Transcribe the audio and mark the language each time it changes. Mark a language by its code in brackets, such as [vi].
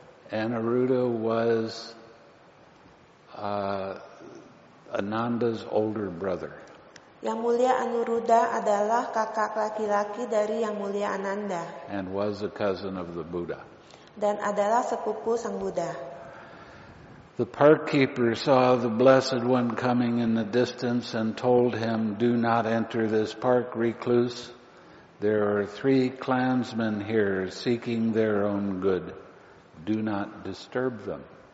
[en] Anuruddha was Ananda's older brother. [id] Yang Mulia Anuruddha adalah kakak laki-laki dari Yang Mulia Ananda. [en] And was a cousin of the Buddha. [id] Dan adalah sepupu Sang Buddha. [en] The park keeper saw the Blessed One coming in the distance and told him, "Do not enter this park, recluse. There are three clansmen here seeking their own good. Do not disturb them."